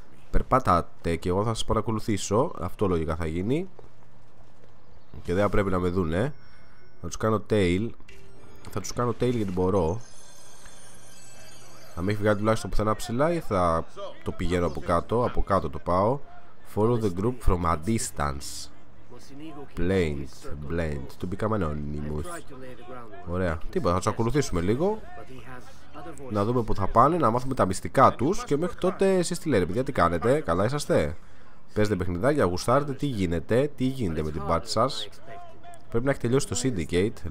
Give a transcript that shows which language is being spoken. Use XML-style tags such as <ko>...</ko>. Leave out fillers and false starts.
<el>Περπατάτε και εγώ θα σας παρακολουθήσω. Αυτό λογικά θα γίνει. Και δεν θα πρέπει να με δουν, ε. Θα τους κάνω tail. Θα τους κάνω tail γιατί μπορώ. Αν με έχει βγάλει τουλάχιστον πουθενά ψηλά, ή θα το πηγαίνω από κάτω. Από κάτω το πάω.</el> <en>Follow the group from a distance. Blend. To become anonymous.</en> <el>Ωραία. Τίποτα, θα τους ακολουθήσουμε λίγο. Να δούμε που θα πάνε, να μάθουμε τα μυστικά τους. Και μέχρι τότε εσείς τι λέτε, παιδιά, τι κάνετε? Καλά είσαστε? Παίζετε παιχνιδάκια, γουστάρετε? Τι γίνεται με την πάρτι σας? Πρέπει να έχει τελειώσει το Syndicate.</el>